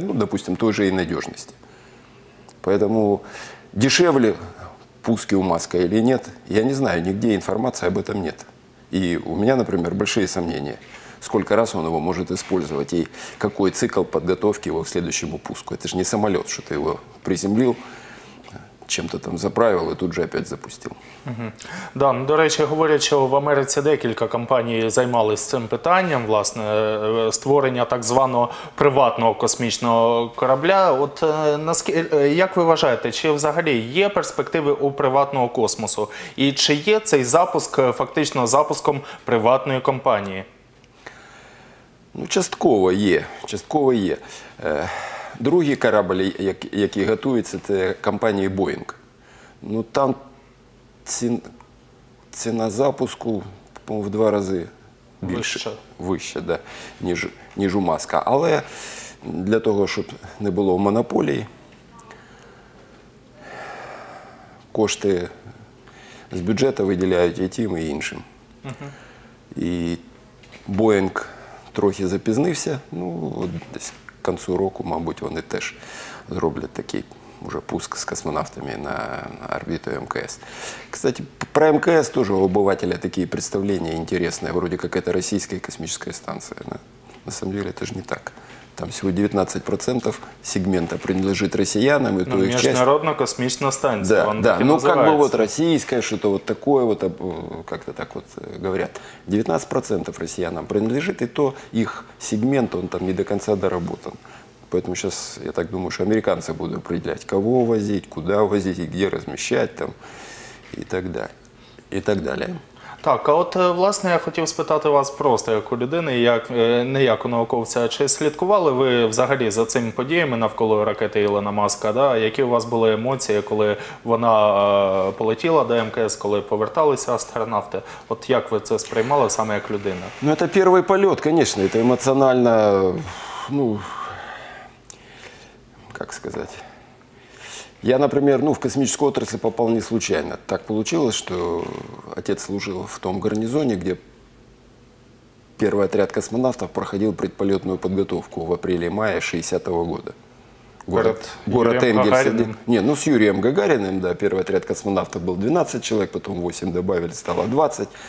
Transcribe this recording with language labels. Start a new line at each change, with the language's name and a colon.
Russian: Ну, допустим, той же и надежности. Поэтому дешевле пуски у Маска или нет, я не знаю, нигде информации об этом нет. И у меня, например, большие сомнения, сколько раз он его может использовать и какой цикл подготовки его к следующему пуску. Это же не самолет, что ты его приземлил, чем-то там заправил и тут же опять запустил.
Ukrainian: Да, ну, до речі, говорять, що в Америці декілька компаній займались цим питанням, власне, створення так званого приватного космічного корабля. От як ви вважаєте, чи взагалі є перспективи у приватного космосу? І чи є цей запуск фактично запуском приватної компанії? Ну, частково є, частково є. Другий корабль, який готується, це компанія Boeing. Ну, там ціна запуску, по-моєму, в два рази більше, вище, да, ніж у Маска. Але для того, щоб не було монополії, кошти з бюджету виділяють і тим, і іншим. І Boeing трохи запізнився, ну, десь
Russian: к концу року,
Ukrainian: мабуть, вони теж зроблять такий уже пуск с космонавтами на орбиту МКС.
Russian: Кстати, про МКС тоже у обывателя такие представления интересные. Вроде как это российская космическая станция. Но на самом деле это же не так. Там всего 19% сегмента принадлежит россиянам. Ну, международная космическая станция. Да, да. Ну, как бы вот российская, что-то вот такое, вот как-то так вот говорят. 19% россиянам принадлежит, и то их сегмент, он там не до конца доработан. Поэтому сейчас, я так думаю, что американцы будут определять, кого возить, куда возить и где размещать там, и так далее. И так далее.
Ukrainian: Так, а от, власне, я хотів спитати вас просто, як у людини, як, не як у науковця, чи слідкували ви взагалі за цими подіями навколо ракети Ілона Маска, да? Які у вас були емоції, коли вона полетіла до МКС, коли поверталися астронавти? От як ви це сприймали саме як людина? Ну, це перший політ, звісно, це емоціонально, ну, як сказати...
Russian: Я, например, ну, в космической отрасли попал не случайно. Так получилось, что отец служил в том гарнизоне, где первый отряд космонавтов проходил предполетную подготовку в апреле-мае 60-го года. Город Энгельс. С Юрием Гагариным, да, первый отряд космонавтов был 12 человек, потом 8 добавили, стало 20.